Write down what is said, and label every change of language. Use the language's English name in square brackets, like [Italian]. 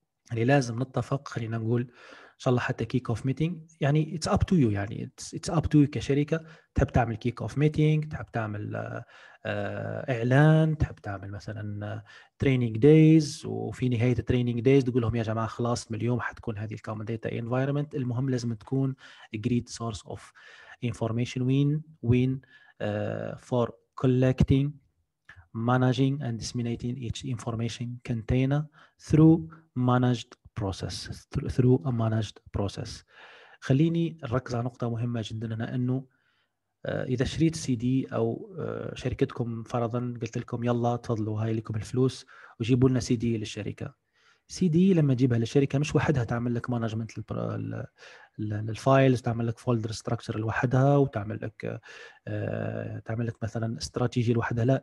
[Arabic] يعني لازم نتفق، خلينا نقول ان شاء الله حتى كيك اوف ميتنج، يعني [English] it's up to you, [Arabic] يعني اتس اب تو يو كشركة، تحب تعمل كيك اوف ميتنج، تحب تعمل اعلان، تحب تعمل مثلا تريننج دايز، وفي نهاية التريننج دايز تقول لهم يا جماعة خلاص من اليوم حتكون هذه الكومن داتا انفايرمنت. المهم لازم تكون [English] Great source of information win-win for collecting, managing and disseminating each information container through managed process, through a managed process. [Arabic] خليني أركز على نقطة مهمة جدا هنا، أنه إذا شريت سي دي أو شركتكم فرضا قلت لكم يلا تفضلوا هاي لكم الفلوس وجيبوا لنا سي دي للشركة، سي دي لما تجيبها للشركة مش وحدها تعمل لك مانجمنت للفايلز، تعمل لك فولدر ستراكشر لوحدها، وتعمل لك تعمل لك مثلا استراتيجي لوحدها.